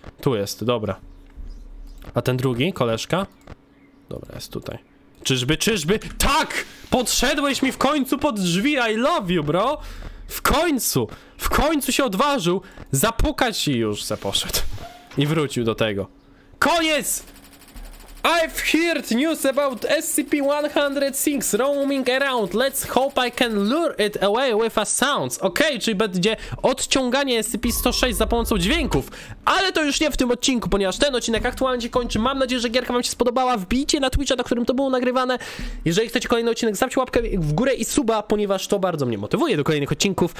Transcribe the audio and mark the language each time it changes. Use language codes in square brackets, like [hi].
[pl] Tu jest, dobra. A ten drugi, koleżka? Dobra, jest tutaj. Czyżby, czyżby? Tak! Podszedłeś mi w końcu pod drzwi, [en] I love you, bro! [pl] W końcu się odważył zapukać i już se poszedł. I wrócił do tego. Koniec! [en] I've heard news about SCP-100 things roaming around. Let's hope I can lure it away with a sound. [pl] Okej, czyli będzie odciąganie SCP-106 za pomocą dźwięków. Ale to już nie w tym odcinku, ponieważ ten odcinek aktualnie się kończy. Mam nadzieję, że gierka wam się spodobała. Wbijcie na Twitcha, na którym to było nagrywane. Jeżeli chcecie kolejny odcinek, zostawcie łapkę w górę i suba, ponieważ to bardzo mnie motywuje do kolejnych odcinków.